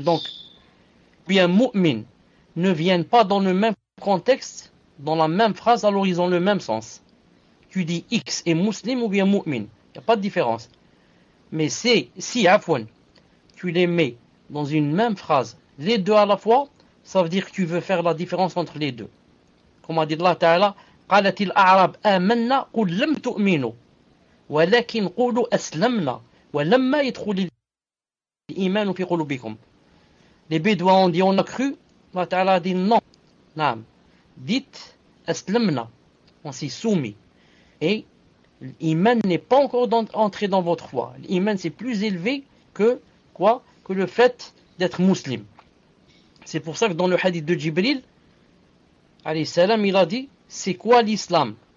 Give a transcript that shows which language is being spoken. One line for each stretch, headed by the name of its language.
French: Donc, bien mu'min ne viennent pas dans le même contexte, dans la même phrase, alors ils ont le même sens. Tu dis X est musulman ou bien mu'min. Il n'y a pas de différence. Mais c'est si afwan, tu les mets dans une même phrase, les deux à la fois, ça veut dire que tu veux faire la différence entre les deux. Comme a dit Allah Ta'ala,
Arabic: قالت الأعراب آمنا قل لم تؤمنوا ولكن قولوا أسلمنا ولما يدخل الإيمان في قلوبكم.
French: Les Bédouins ont dit on a cru, Allah Ta'ala a dit non, naam. Dites أسلمنا, on s'est soumis. Et l'iman n'est pas encore entré dans votre foi. L'iman, c'est plus élevé que quoi? Que le fait d'être musulman. C'est pour ça que dans le hadith de Jibril, alayhi salam, il a dit, c'est quoi l'islam?